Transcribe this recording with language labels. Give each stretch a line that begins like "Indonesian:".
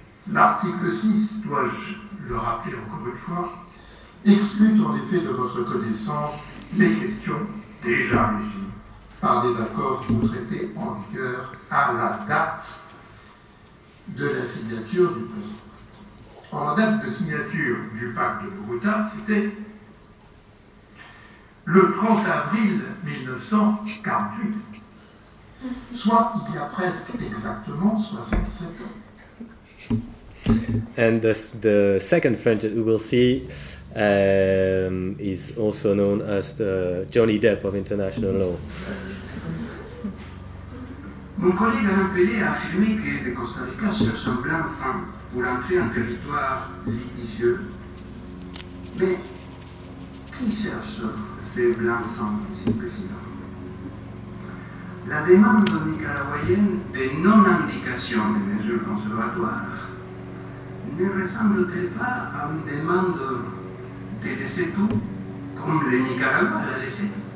French: L'article 6, dois-je le rappeler encore une fois, exclut en effet de votre connaissance les questions déjà régies par des accords ou traités en vigueur à la date de la signature du président. Or, la date de signature du pacte de Bogota, c'était le 30 avril 1948, soit il y a presque exactement 67 ans.
English: And the second French that we will see is also known as the Johnny Depp of international law.
French: Mon collègue Alain Pellet a affirmé que le Costa Rica cherche un blanc-seing pour entrer en territoire litigieux. Mais qui cherche ce blanc-seing, monsieur le président? La demande nicaraguayenne de non-indication des mesures conservatoires ne ressemble-t-elle pas à une demande de laisser tout comme le Nicaragua l'a laissé?